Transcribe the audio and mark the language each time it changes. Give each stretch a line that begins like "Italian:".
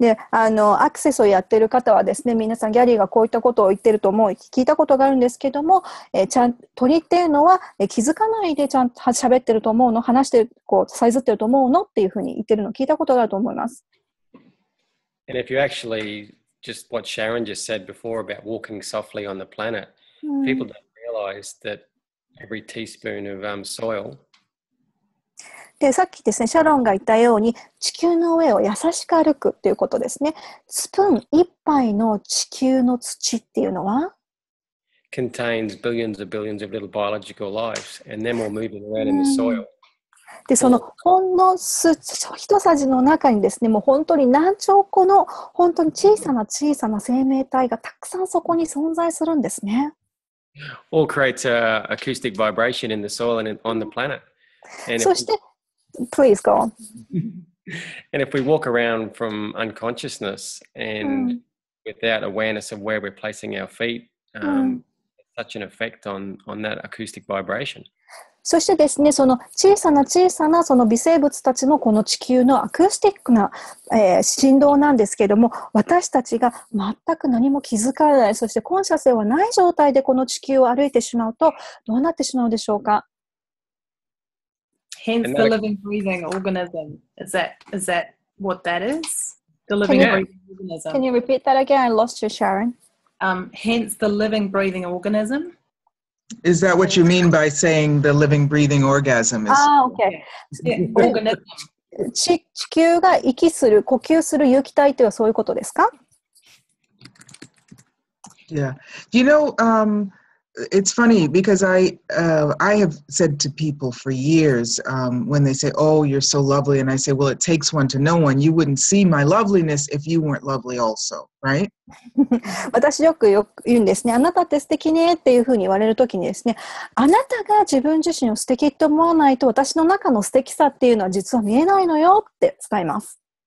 Japanese: アクセスをやってる方はですね、皆さんギャリーがこういったことを言ってると思う、聞いたことがあるんですけども、鳥っていうのは気づかないでちゃんと喋ってると思うの、話してこう、さえずってると思うのっていうふうに言ってるの聞いたことがあると思います。
English: And if you actually, just what Sharon just said before about walking softly on the planet, people don'tThat every teaspoon of, soil.
Japanese: でさっきですね、シャロンが言ったように、地球の上を優しく歩くということですね。スプーン一杯の地球の土っていうのは
English: contains billions of billions of little biological lives, and them all moving around in the soil.
Japanese: でそのほんの一さじの中にですね、もう本当に何兆個の本当に小さな小さな生命体がたくさんそこに存在するんですね。
English: All creates an acoustic vibration in the soil and on the planet.
Japanese: そして、
English: please go on. And if we walk around from unconsciousness and without awareness of where we're placing our feet, such an effect on that acoustic vibration.
Japanese: そしてですね、その小さな小さなその微生物たちのこの地球のアクースティックな、振動なんですけれども、私たちが全く何も気づかない、そしてコンシャスではない状態でこの地球を歩いてしまうと、どうなってしまうでしょうか。
English: Hence the living breathing organism. Is that what that is? The living breathing organism. Can you repeat that again? I lost you, Sharon. Hence the living breathing organism. Is that what you mean by saying the living breathing orgasm is? Ah, okay. Organism.
Japanese: 地球が息する、呼吸する有機体とはそういうことですか?
English: Yeah. You know, it's funny because I have said to people for years, when they say, oh, you're so lovely, and I say, well, it takes one to know one. You wouldn't see my loveliness if you weren't lovely also, right?
Japanese: 私よく言うんですね。あなたって素敵ねっていうふうに言われるときにですね、あなたが自分自身を素敵って思わないと私の中の素敵さっていうのは実は見えないのよって伝えます。